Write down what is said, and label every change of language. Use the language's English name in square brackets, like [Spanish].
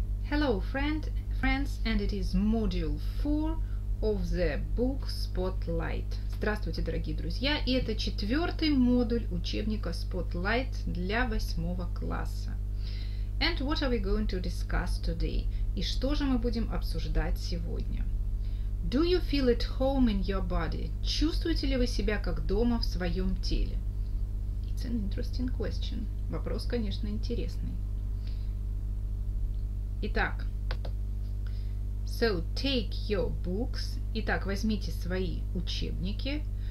[English] Hello friends, and it is module 4 of the book Spotlight. [Russian] Здравствуйте, дорогие друзья, и это четвертый модуль учебника Spotlight для восьмого класса. [English] And what are we going to discuss today? [Russian] И что же мы будем обсуждать сегодня? [English] Do you feel at home in your body? [Russian] Чувствуете ли вы себя как дома в своем теле? [English] It's an interesting question. [Russian] Вопрос, конечно, интересный. Итак, [English] so take your books. [Russian] Итак, возьмите свои учебники.